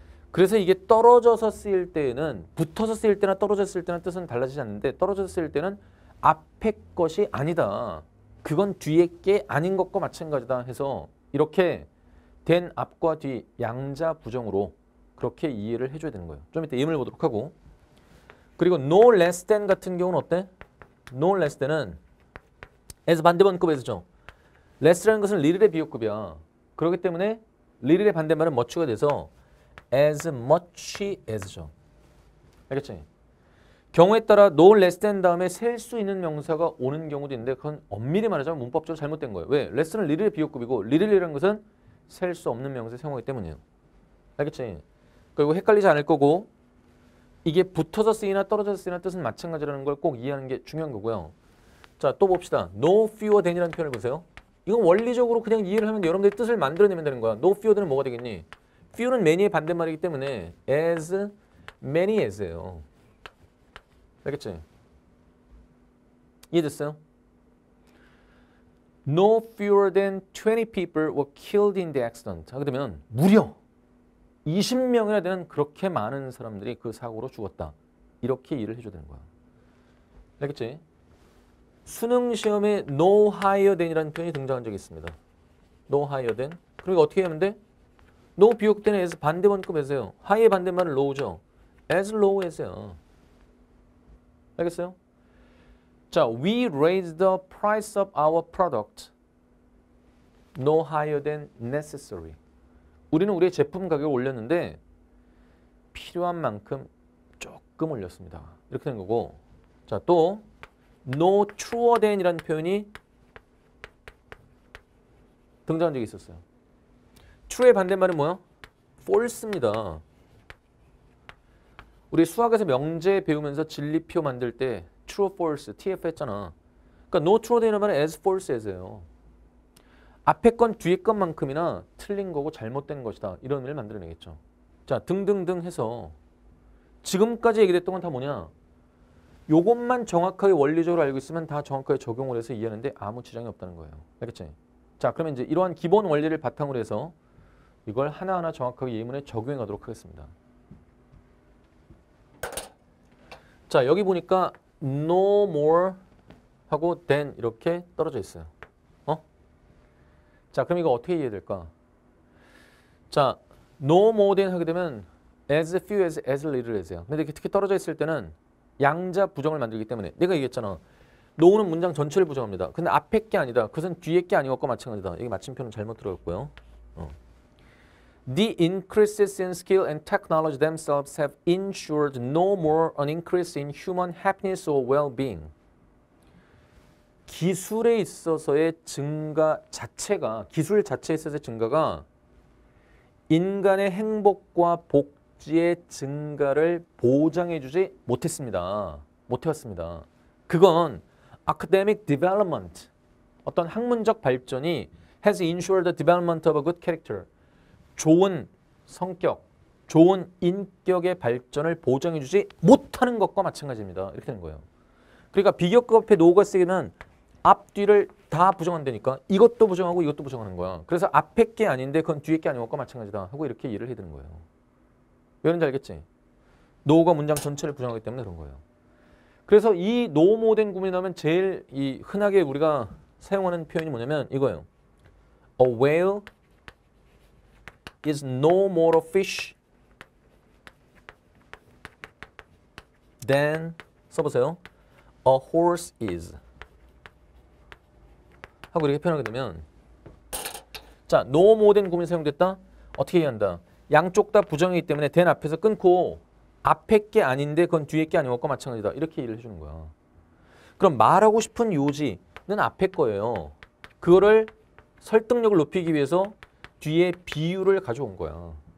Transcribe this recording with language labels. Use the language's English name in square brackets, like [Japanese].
[Korean] 그래서 이게 떨어져서 쓰일 때에는 붙어서 쓰일 때나 떨어져 쓰일 때나 뜻은 달라지지 않는데 떨어져서 쓰일 때는 앞에 것이 아니다. 그건 뒤에 게 아닌 것과 마찬가지다 해서 이렇게 된 앞과 뒤 양자 부정으로 그렇게 이해를 해줘야 되는 거예요. 좀 이따 예문을 보도록 하고. 그리고 no less than 같은 경우는 어때? no less than은 as 반대반급에서죠. less라는 것은 little의 비교급이야. 그렇기 때문에 little의 반대말은 much가 돼서 as much as죠. 알겠지? 경우에 따라 no less than 다음에 셀수 있는 명사가 오는 경우도 있는데 그건 엄밀히 말하자면 문법적으로 잘못된 거예요. 왜? less는 little의 비교급이고 little이라는 것은 셀수 없는 명사에 사용하기 때문이에요. 알겠지? 그리고 헷갈리지 않을 거고 이게 붙어서 쓰이나 떨어져서 쓰이나 뜻은 마찬가지라는 걸꼭 이해하는 게 중요한 거고요. 자, 또 봅시다. no fewer than이라는 표현을 보세요. 이건 원리적으로 그냥 이해를 하면 여러분들이 뜻을 만들어내면 되는 거야. no fewer than은 뭐가 되겠니? few는 many의 반대말이기 때문에 as many as예요. 알겠지? 이해됐어요? [English] No fewer than 20 people were killed in the accident. [Korean] 하게 되면 무려 20명이나 되는 그렇게 많은 사람들이 그 사고로 죽었다. 이렇게 이해를 해줘야 되는 거야. 알겠지? 수능 시험에 no higher than이라는 표현이 등장한 적이 있습니다. [English] No higher than. [Korean] 그러니까 어떻게 하면 돼? No 비교급 때는 as 반대 원급에서요. high의 반대말은 low죠. as low as요. 알겠어요? [English] 자, we raised the price of our product no higher than necessary. [Korean] 우리는 우리의 제품 가격을 올렸는데 필요한 만큼 조금 올렸습니다. 이렇게 된 거고. 자, 또 no truer than이라는 표현이 등장한 적이 있었어요. true의 반대말은 뭐요? false입니다. 우리 수학에서 명제 배우면서 진리표 만들 때 true, false, TF 했잖아. 그러니까 no truer than이라는 말은 as false as예요. 앞에 건 뒤에 것만큼이나 틀린 거고 잘못된 것이다. 이런 의미를 만들어내겠죠. 자, 등등등 해서 지금까지 얘기됐던 건 다 뭐냐? 요것만 정확하게 원리적으로 알고 있으면 다 정확하게 적용을 해서 이해하는데 아무 지장이 없다는 거예요. 알겠지? 자, 그러면 이제 이러한 기본 원리를 바탕으로 해서 이걸 하나하나 정확하게 예문에 적용하도록 하겠습니다. 자, 여기 보니까 no more 하고 than 이렇게 떨어져 있어요. 어? 자, 그럼 이거 어떻게 이해될까? 자, no more than 하게 되면 as few as little as요. 근데 이렇게 특히 떨어져 있을 때는 양자 부정을 만들기 때문에 내가 얘기했잖아. no는 문장 전체를 부정합니다. 근데 앞에 게 아니다. 그것은 뒤에 게 아닌 것과 마찬가지다. 여기 마침표는 잘못 들어갔고요. [English] The increases in skill and technology themselves have ensured no more an increase in human happiness or well-being. [Korean] 기술에 있어서의 증가 자체가, 기술 자체에 있어서의 증가가 인간의 행복과 복지의 증가를 보장해주지 못했습니다. 못해왔습니다. 그건 [English] academic development, [Korean] 어떤 학문적 발전이 [English] has ensured the development of a good character. [Korean] 좋은 성격, 좋은 인격의 발전을 보장해주지 못하는 것과 마찬가지입니다. 이렇게 되는 거예요. 그러니까 비교급 앞에 no가 쓰이면 앞뒤를 다 부정한다니까 이것도 부정하고 이것도 부정하는 거야. 그래서 앞에 게 아닌데 그건 뒤에 게 아닌 것과 마찬가지다 하고 이렇게 이해를 해드는 거예요. 왜 그런지 알겠지? no가 문장 전체를 부정하기 때문에 그런 거예요. 그래서 이 no more than 구문이 나오면 제일 이 흔하게 우리가 사용하는 표현이 뭐냐면 이거예요. [English] A whale is no more a fish than, [Korean] 써보세요, [English] a horse is. [Korean] 하고 이렇게 표현하게 되면, 자, no more than 구문이 사용됐다? 어떻게 이해한다? 양쪽 다 부정이기 때문에 than 앞에서 끊고 앞에 게 아닌데 그건 뒤에 게 아닌 것과 마찬가지다. 이렇게 이해를 해주는 거야. 그럼 말하고 싶은 요지는 앞에 거예요. 그거를 설득력을 높이기 위해서 뒤에 비유를 가져온 거야.